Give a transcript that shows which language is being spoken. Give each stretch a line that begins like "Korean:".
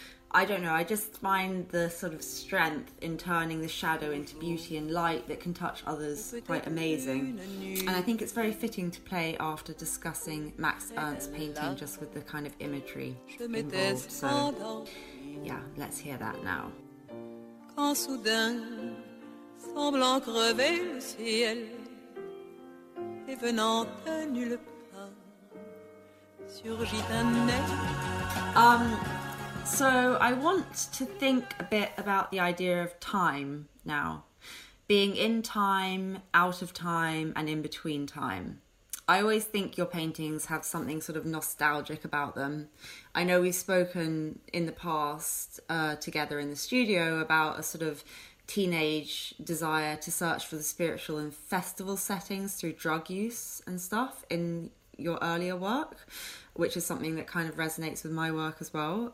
English: I don't know, I just find the sort of strength in turning the shadow into beauty and light that can touch others quite amazing. And I think it's very fitting to play after discussing Max Ernst's painting, just with the kind of imagery involved. So, yeah, let's hear that now.
French: Quand soudain, semblant crever le ciel, et venant de nulle part, surgit un être.
English: So I want to think a bit about the idea of time now. Being in time, out of time, and in between time. I always think your paintings have something sort of nostalgic about them. I know we've spoken in the past together in the studio about a sort of teenage desire to search for the spiritual in festival settings through drug use and stuff in your earlier work, which is something that kind of resonates with my work as well.